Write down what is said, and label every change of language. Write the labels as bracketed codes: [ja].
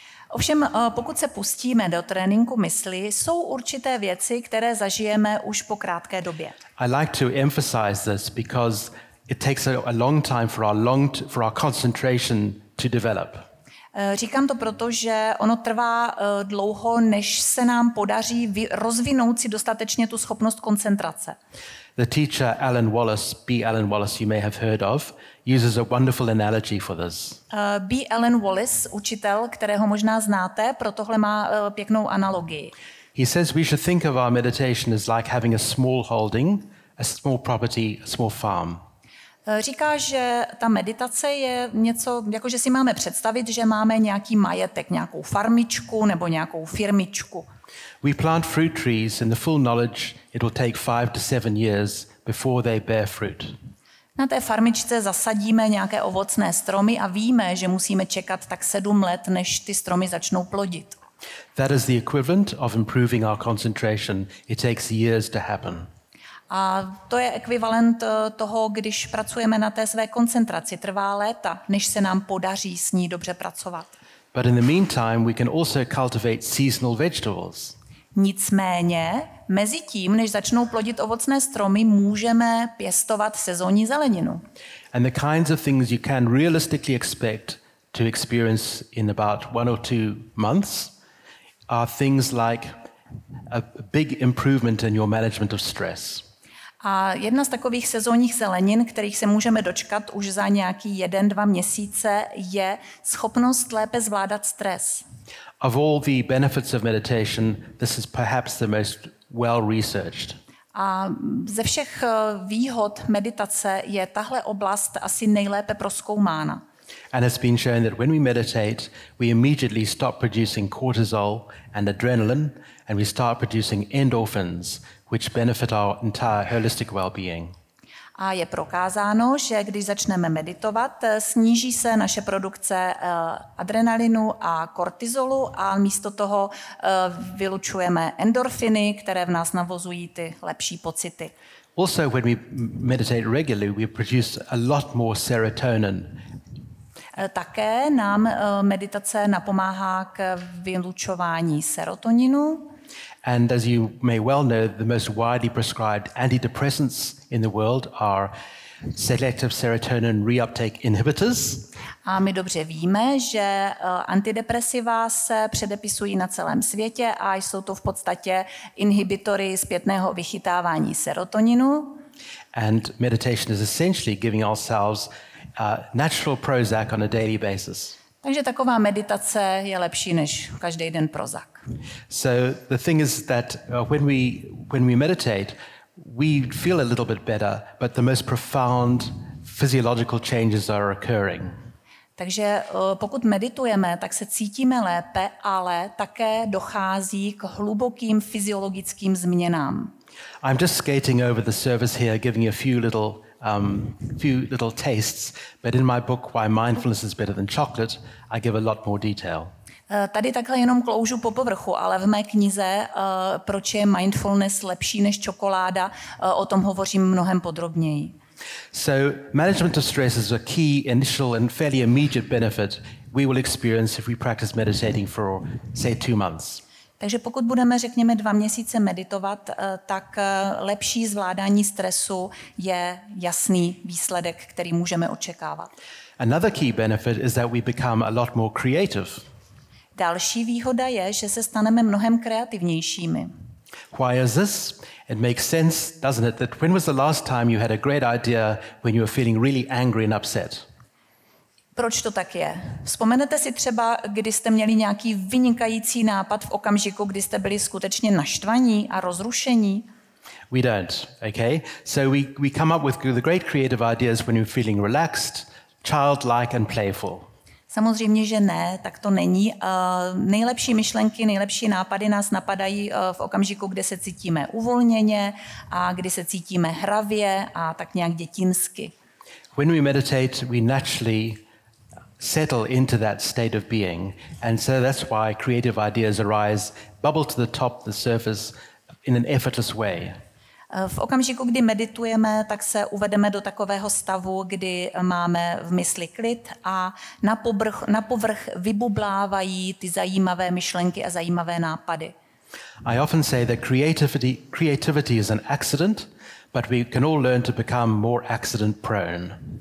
[cs] Ovšem, pokud se pustíme do tréninku mysli, jsou určité věci, které zažijeme už po krátké době. [en] I like to emphasize this because it takes a long time for our concentration to develop. [cs] Říkám to proto, že ono trvá dlouho, než se nám podaří rozvinout si dostatečně tu schopnost koncentrace. [en] The teacher Alan Wallace, B. Alan Wallace, you may have heard of, uses a wonderful analogy for this. B. [cs] Alan Wallace, učitel, kterého možná znáte, pro tohle má pěknou analogii. [en] He says we should think of our meditation as like having a small holding, a small property, a small farm. [cs] Říká, že ta meditace je něco, jakože si máme představit, že máme nějaký majetek, nějakou farmičku nebo nějakou firmičku. [en] We plant fruit trees in the full knowledge it will take 5 to 7 years before they bear fruit. [cs] Na té farmičce zasadíme nějaké ovocné stromy a víme, že musíme čekat tak 7 let, než ty stromy začnou plodit. [en] That is the equivalent of improving our concentration. It takes years to happen. [cs] A to je ekvivalent toho, když pracujeme na té své koncentraci. Trvá léta, než se nám podaří s ní dobře pracovat. [en] But in the meantime, we can also cultivate seasonal vegetables. [cs] Nicméně, mezi tím, než začnou plodit ovocné stromy, můžeme pěstovat sezónní zeleninu. [en] And the kinds of things you can realistically expect to experience in about 1 or 2 months are things like a big improvement in your management of stress. [cs] A jedna z takových sezónních zelenin, kterých se můžeme dočkat už za nějaký 1-2 měsíce, je schopnost lépe zvládat stres. [en] Of all the benefits of meditation, this is perhaps the most well researched. [cs] A ze všech výhod meditace je tahle oblast asi nejlépe prozkoumána. [en] And it's been shown that when we meditate, we immediately stop producing cortisol and adrenaline and we start producing endorphins, which benefit our entire holistic well-being. [cs] A je prokázáno, že když začneme meditovat, sníží se naše produkce adrenalinu a kortizolu a místo toho vylučujeme endorfiny, které v nás navozují ty lepší pocity. [en] Also when we meditate regularly, we produce a lot more serotonin. [cs] Také nám meditace napomáhá k vylučování serotoninu. [en] And as you may well know, the most widely prescribed antidepressants in the world are selective serotonin reuptake inhibitors. [cs] A my dobře víme, že antidepresiva se předepisují na celém světě a jsou to v podstatě inhibitory zpětného vychytávání serotoninu. [en] And meditation is essentially giving ourselves natural Prozac on a daily basis. [cs] Takže taková meditace je lepší než každý den Prozac. [en] So the thing is that when we meditate, we feel a little bit better, but the most profound physiological changes are occurring. [cs] Takže pokud meditujeme, tak se cítíme lépe, ale také dochází k hlubokým fyziologickým změnám. [en] I'm just skating over the surface here, giving you a few little tastes, but in my book Why Mindfulness is Better Than Chocolate, I give a lot more detail. [cs] Tady takhle jenom kloužu po povrchu, ale v mé knize Proč je mindfulness lepší než čokoláda, o tom hovořím mnohem podrobněji. [en] So management of stress is a key initial and fairly immediate benefit we will experience if we practice meditating for say 2 months. [cs] Takže pokud budeme, řekněme, 2 měsíce meditovat, tak lepší zvládání stresu je jasný výsledek, který můžeme očekávat. [en] Another key benefit is that we become a lot more creative. [cs] Další výhoda je, že se staneme mnohem kreativnějšími. [en] Why is this? It makes sense, doesn't it, that when was the last time you had a great idea when you were feeling really angry and upset? [cs] Proč to tak je? Vzpomenete si třeba, kdy jste měli nějaký vynikající nápad v okamžiku, kdy jste byli skutečně naštvaní a rozrušení? [en] We don't, okay? So we come up with the great creative ideas when we're feeling relaxed, childlike and playful. [cs] Samozřejmě, že ne, tak to není. Nejlepší myšlenky, nejlepší nápady nás napadají v okamžiku, kde se cítíme uvolněně a kdy se cítíme hravě a tak nějak dětinsky. [en] When we meditate, we naturally settle into that state of being, and so that's why creative ideas arise, bubble to the top, the surface, in an effortless way. [cs] V okamžiku, kdy meditujeme, tak se uvedeme do takového stavu, kdy máme v mysli klid a na povrch vybublávají ty zajímavé myšlenky a zajímavé nápady. [en] I often say that creativity is an accident, but we can all learn to become more accident prone.